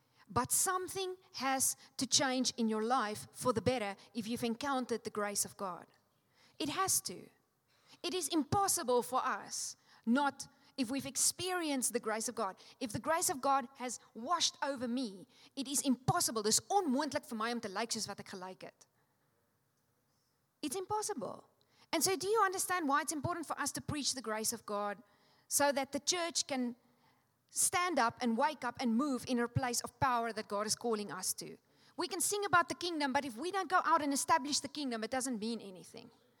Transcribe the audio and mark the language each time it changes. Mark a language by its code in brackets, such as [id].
[en] But something has to change in your life for the better if you've encountered the grace of God. It has to. It is impossible for us not, if we've experienced the grace of God, if the grace of God has washed over me, it is impossible. It's [af] onmoontlik vir my om te lyk soos wat ek gelyk het. [en] It's impossible. And so do you understand why it's important for us to preach the grace of God so that the church can stand up and wake up and move in a place of power that God is calling us to? We can sing about the kingdom, but if we don't go out and establish the kingdom, it doesn't mean anything.